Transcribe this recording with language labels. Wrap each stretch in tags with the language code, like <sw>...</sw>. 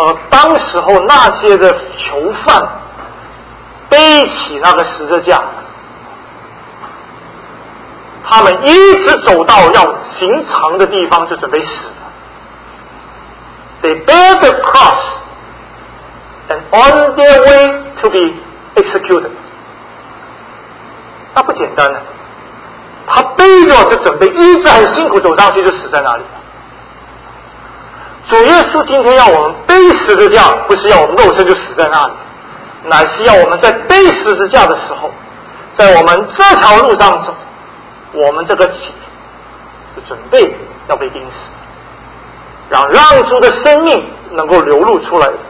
<zh>当时候那些的囚犯背起那个十字架，他们一直走到要刑场的地方就准备死了。</zh> <en>They bear the cross and on their way to be executed。</en> <zh>那不简单了，他背着就准备一直很辛苦走上去就死在那里。主耶稣今天要我们背十字架，不是要我们肉身就死在那里，乃是要我们在背十字架的时候，在我们这条路上走，我们这个己就准备要被钉死，让主的生命能够流露出来。</zh>